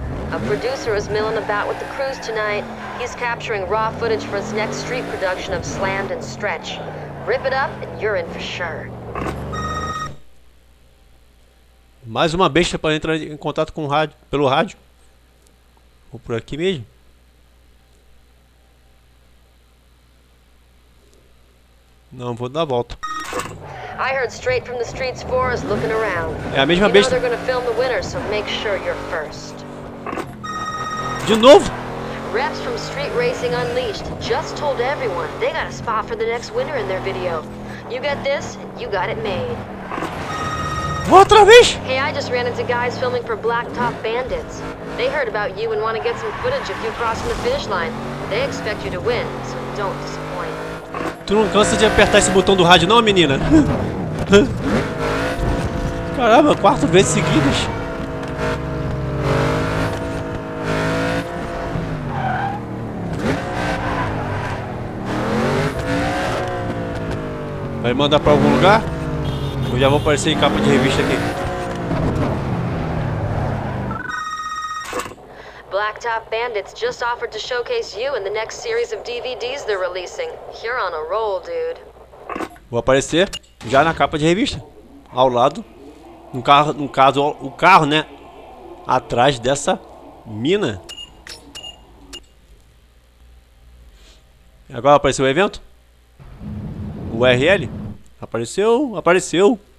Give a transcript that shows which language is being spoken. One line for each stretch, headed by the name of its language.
English: A producer is milling about with the crews tonight. He's capturing raw footage for his next street production of Slammed and Stretch. Rip it up and you're in for sure.
Portuguese: Mais uma besta para entrar em contato com o rádio, pelo rádio. Ou por aqui mesmo. Não, vou dar a volta.
English: I heard straight from the streets for us looking around.
Portuguese: É a mesma besta.
English: They're gonna film the winner, so make sure you're first.
Portuguese: De novo?
English: Reps from Street Racing Unleashed just told everyone they got a spot for the next winner in their video. You get this, you got it made.
Portuguese: Outra vez?
English: Hey, I just ran into guys filming for Blacktop Bandits. They heard about you and want to get some footage of you crossing the finish line. They expect you to win, so don't disappoint.
Portuguese: Tu não cansa de apertar esse botão do rádio não, menina? Caramba, 4 vezes seguidas. Vai mandar pra algum lugar? Eu já vou aparecer em capa de revista aqui.
English: Blacktop Bandits just offered to showcase you in the next series of DVDs they're releasing. You're on a roll, dude.
Portuguese: Vou aparecer já na capa de revista. Ao lado. No carro, no caso, o carro, né? Atrás dessa mina. Agora apareceu o evento? URL? Apareceu, apareceu.